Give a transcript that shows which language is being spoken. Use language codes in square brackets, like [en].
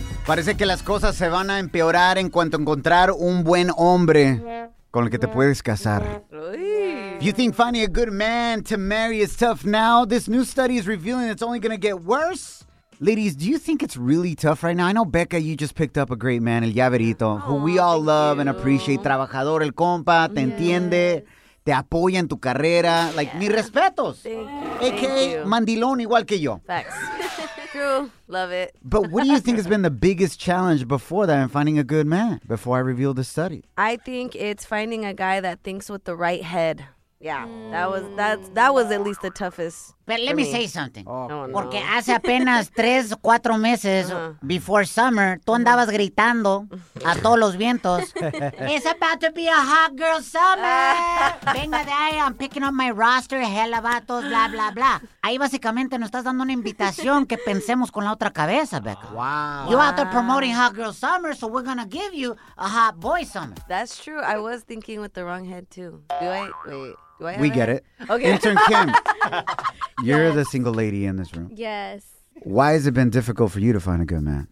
[es] Parece que las cosas se van a empeorar en cuanto encontrar un buen hombre con el que te puedes casar. [en] If you think finding a good man to marry is tough now, this new study is revealing it's only going to get worse. Ladies, do you think it's really tough right now? I know, Becca, you just picked up a great man, El Llaverito, who we all love and appreciate. [es] Trabajador, el compa, te entiende. Te apoya en tu carrera. Like, mis respetos. [en] Thank you. [es] AKA Mandilón, igual que yo. [en] Facts. True. Love it. But what do you think has been the biggest challenge before that in finding a good man, before I reveal the study? I think it's finding a guy that thinks with the right head. Yeah. That was at least the toughest. But let me say something. Oh, no. [es] Porque hace apenas 3-4 meses [en] before summer, [es] tú andabas gritando a todos los vientos. [en] It's about to be a hot girl summer. [es] Venga de ahí, [en] I'm picking up my roster, hella vatos, bla, bla, bla. [es] Ahí básicamente nos estás dando una invitación que pensemos con la otra cabeza, Becca. [en] Wow. You're out there promoting hot girl summer, so we're going to give you a hot boy summer. That's true. I was thinking with the wrong head, too. We get it. Okay. Intern Kim, you're the single lady in this room. Yes. Why has it been difficult for you to find a good man?